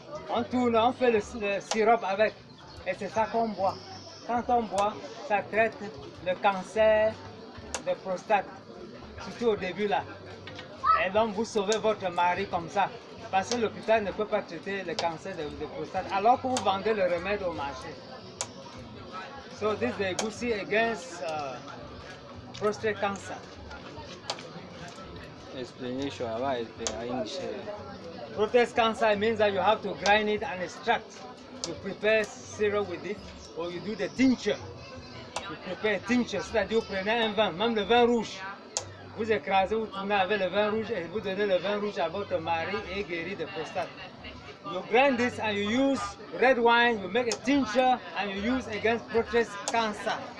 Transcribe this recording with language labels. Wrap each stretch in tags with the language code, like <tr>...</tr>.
<fr>On tourne, on fait le sirop avec. Et c'est ça qu'on boit. Quand on boit, ça traite le cancer de prostate. Surtout au début là. Et donc vous sauvez votre mari comme ça. Parce que l'hôpital ne peut pas traiter le cancer de prostate. Alors que vous vendez le remède au marché.</fr> <en>So this is a goosey against prostate cancer. Explanation about the English. Prostate cancer means that you have to grind it and extract. You prepare syrup with it, or you do the tincture. You prepare tincture,</en> <fr>c'est-à-dire vous prenez un vin, même le vin rouge. Vous écrasez, vous tournez avec le vin rouge et vous donnez le vin rouge à votre mari et guéri de prostate.</fr> <en>You grind this and you use red wine, you make a tincture and you use against prostate cancer.</en>